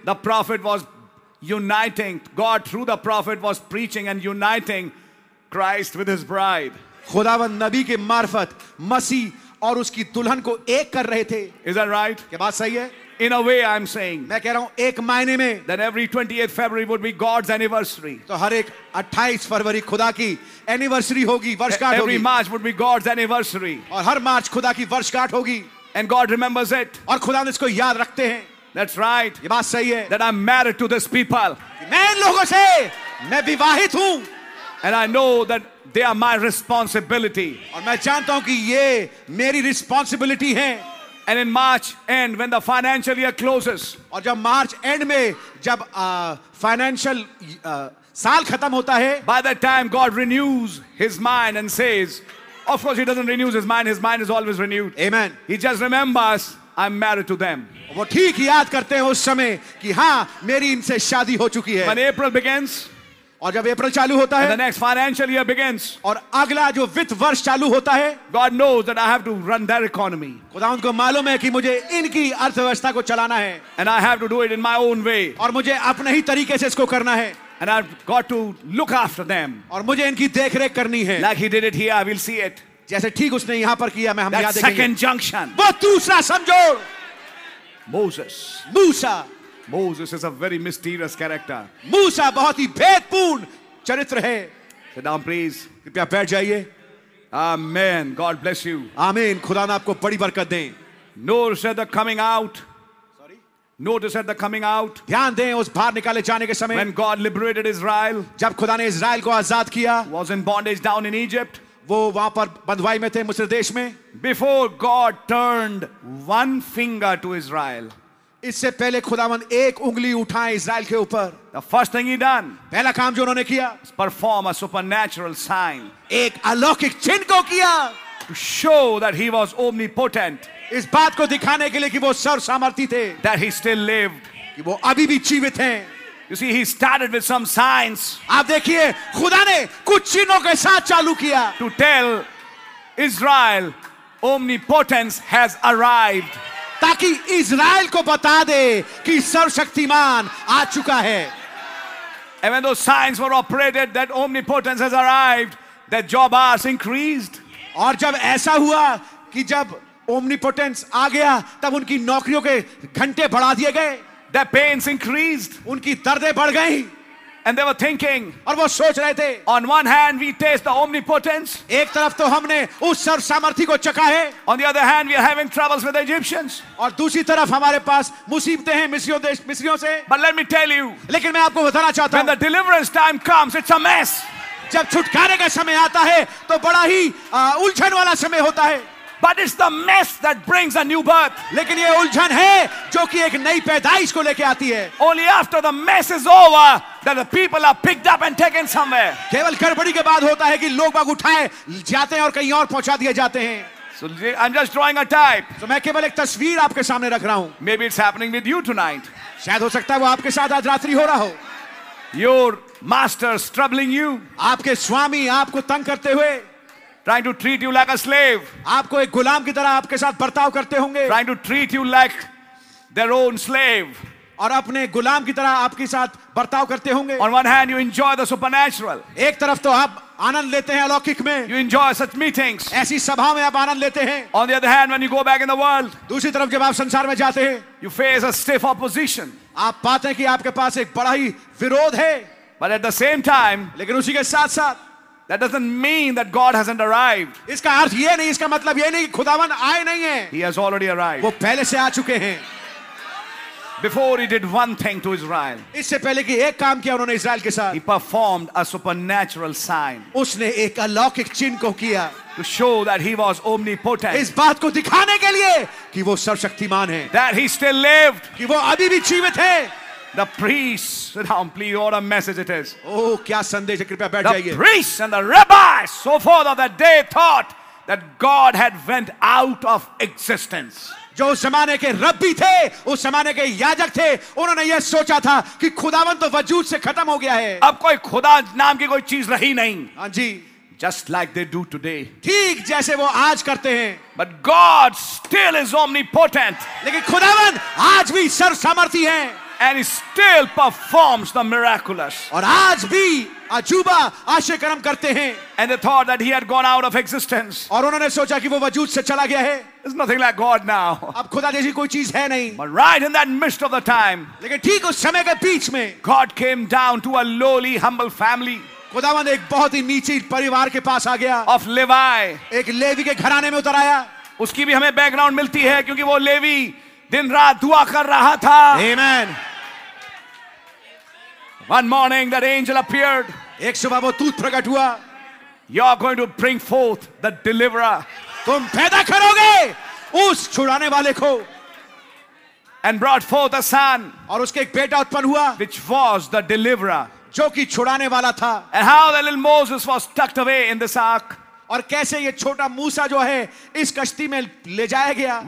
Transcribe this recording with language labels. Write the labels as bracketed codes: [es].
[en] The prophet was uniting God through the prophet was preaching and uniting Christ with his bride. [hi] खुदावंद नबी के मार्फत मसीह और उसकी दुल्हन को एक कर रहे थे. [en] Is that right? [hi] क्या बात सही है? [en] In a way, I'm saying, [hi] मैं कह रहा हूँ एक मायने में, [en] that every 28th February would be God's anniversary. [hi] तो हर एक 28 फरवरी खुदा की anniversary होगी, वर्षगांठ होगी. [en] Every March would be God's anniversary. [hi] और हर मार्च खुदा की वर्षगांठ होगी. [en] And God remembers it. [hi] और खुदा ने इसको याद रखते हैं. [en] That's right. [hi] ये बात सही है. [en] That I'm married to this people. [hi] मैं इन लोगों से, मैं विवाहित हूँ. [en] And I know that they are my responsibility. [hi] और मैं जानता हूँ कि ये मेरी responsibility है. [en] And in March end, when the financial year closes, [hi] और जब मार्च एंड में जब financial साल खत्म होता है, [en] by that time God renews His mind and says, of course He doesn't renew His mind is always renewed. Amen. He just remembers, I'm married to them. [hi] वो ठीक याद करते हैं उस समय कि हाँ, मेरी इनसे शादी हो चुकी है. [en] When April begins, [hi] और जब अप्रैल चालू होता है, [en] the next financial year begins, [hi] और अगला जो वित्त वर्ष चालू होता है, [en] God knows that I have to run their economy. [hi] खुदावंद को मालूम है कि मुझे इनकी अर्थव्यवस्था को चलाना है, [en] and I have to do it in my own way. [hi] और मुझे अपने ही तरीके से इसको करना है, [en] and I've got to look after them. [hi] और मुझे इनकी देखरेख करनी है, [en] like he did it here, I will see it. [hi] जैसे ठीक उसने यहाँ पर किया, मैं हम याद देखेंगे. [en] Second junction. [hi] वो दूसरा संजोग. [en] Moses. [hi] Musa. [en] Moses is a very mysterious character. [hi] Musa bahut hi bhedpurn charitra hai. [en] Sit down, please. [hi] Kripya baith jaiye. [en] Amen. God bless you. [hi] Amen. Khuda na aapko badi barkat de. [en] Notice at the coming out. Sorry. Notice at the coming out. [hi] Dhyan dein us bahar nikale jaane ke samay. [en] When God liberated Israel. [hi] Jab Khuda ne Israel ko azad kiya. [en] Was in bondage down in Egypt. [hi] Wo wahan par bandhwai mein the Misr desh mein. [en] Before God turned one finger to Israel. [hi] इससे पहले खुदावन एक उंगली उठाए Israel के ऊपर, [en] the first thing he done, [hi] पहला काम जो उन्होंने किया, [en] perform a supernatural sign, [hi] एक अलौकिक चिन्ह को किया, [en] to show that he was omnipotent, [hi] इस बात को दिखाने के लिए कि वो सर्व सामर्थी थे, [en] that he still lived, [hi] कि वो अभी भी जीवित हैं. [en] You see, he started with some signs, [hi] आप देखिए खुदा ने कुछ चिन्हों के साथ चालू किया, [en] to tell Israel, omnipotence has arrived. [hi] ताकि इज़राइल को बता दे कि सर्वशक्तिमान आ चुका है. [en] And when those signs were operated, that omnipotence has arrived, that job hours increased. [hi] और जब ऐसा हुआ कि जब omnipotence आ गया, तब उनकी नौकरियों के घंटे बढ़ा दिए गए. [en] Their pains increased. [hi] उनकी दर्दें बढ़ गईं. [en] And they were thinking. [hi] और वो सोच रहे थे. [en] On one hand, we taste the omnipotence. [hi] एक तरफ तो हमने उस सर्व सामर्थ्य को चखा है. [en] On the other hand, we are having troubles with the Egyptians. [hi] और दूसरी तरफ हमारे पास मुसीबतें हैं मिस्रियों देश मिस्रियों से. [en] But let me tell you. [hi] लेकिन मैं आपको बताना चाहता हूँ. [en] When the deliverance time comes, it's a mess. [hi] जब छुटकारे का समय आता है, तो बड़ा ही उलझन वाला समय होता है. [en] But it's the mess that brings a new birth. [hi] लेकिन ये उलझन है जो कि एक नई पैदाइश को लेके आती है. [en] Only after the mess is over that the people are picked up and taken somewhere. [hi] केवल गड़बड़ी के बाद होता है कि लोग बाग उठाए जाते हैं और कहीं और पहुंचा दिए जाते हैं. [en] So I'm just drawing a type. [hi] तो मैं केवल एक तस्वीर आपके सामने रख रहा हूँ. [en] Maybe it's happening with you tonight. [hi] शायद हो सकता है वो आपके साथ आज रात्रि हो रहा हो. [en] Your master's troubling you. [hi] आपके स्वामी आपको तंग करते हुए. [en] Trying to treat you like a slave. [hi] आपको एक गुलाम की तरह आपके साथ बर्ताव करते होंगे. [en] Trying to treat you like their own slave. [hi] और अपने गुलाम की तरह आपके साथ बर्ताव करते होंगे. [en] On one hand, you enjoy the supernatural. [hi] एक तरफ तो आप आनंद लेते हैं अलौकिक में. [en] You enjoy such meetings. [hi] ऐसी सभा में आप आनंद लेते हैं. [en] On the other hand, when you go back in the world. [hi] दूसरी तरफ जब आप संसार में जाते हैं. [en] You face a stiff opposition. [hi] आप पाते हैं कि आपके पास एक बड़ा ही विरोध है. [en] But at the same time. [hi] लेकिन उसी के साथ साथ. [en] That doesn't mean that God hasn't arrived. [hi] इसका अर्थ ये नहीं, इसका मतलब ये नहीं कि खुदावन आए नहीं है. [en] He has already arrived. [hi] वो पहले से आ चुके हैं. [en] Before he did one thing to Israel. [hi] इससे पहले कि एक काम किया उन्होंने इज़राइल के साथ. [en] He performed a supernatural sign. [hi] उसने एक अलौकिक चिन्ह को किया. [en] To show that he was omnipotent. [hi] इस बात को दिखाने के लिए कि वो सर्वशक्तिमान है. [en] That he still lived. [hi] कि वो अभी भी जीवित है. [en] The priests, sit down, please, what a message it is. [hi] Oh, kya sandesh hai, kripya baith jaiye. [en] The priests and the rabbis, so forth of that day, thought that God had went out of existence. [hi] जो उस जमाने के रब्बी थे, उस जमाने के याजक थे, उन्होंने यह सोचा था कि खुदावन तो वजूद से खत्म हो गया है. अब कोई खुदा नाम की कोई चीज रही नहीं. हाँ जी. [en] Just like they do today. [hi] ठीक जैसे वो आज करते हैं. [en] But God still is omnipotent. [hi] लेकिन खुदावन आज भी सर्वसामर्थी हैं. [en] And he still performs the miraculous. [hi] और आज भी अजूबा आश्चर्यकर्म करते हैं. [en] And they thought that he had gone out of existence. [hi] और उन्होंने सोचा कि वो वजूद से चला गया है. [en] There's nothing like God now. [hi] अब खुदा जैसी कोई चीज है नहीं. [en] But right in that midst of the time. [hi] लेकिन ठीक उस समय के बीच में. [en] God came down to a lowly, humble family. [hi] खुदावंद एक बहुत ही नीचे परिवार के पास आ गया. [en] Of Levi. [hi] एक लेवी के घराने में उतर आया. उसकी भी हमें बैकग्राउंड मिलती है क्योंकि वो लेवी दिन रात दुआ कर रहा था. Amen. [en] One morning that angel appeared. [hi] एक सुबह वो दूत प्रकट हुआ. [en] You are going to bring forth the deliverer. [hi] तुम पैदा करोगे उस छुड़ाने वाले को. [en] And brought forth a son. [hi] और उसके एक बेटा उत्पन्न हुआ. [en] Which was the deliverer. [hi] जो कि छुड़ाने वाला था. [en] And how the little Moses was tucked away in this ark. [hi] और कैसे ये छोटा मूसा जो है इस कश्ती में ले जाया गया.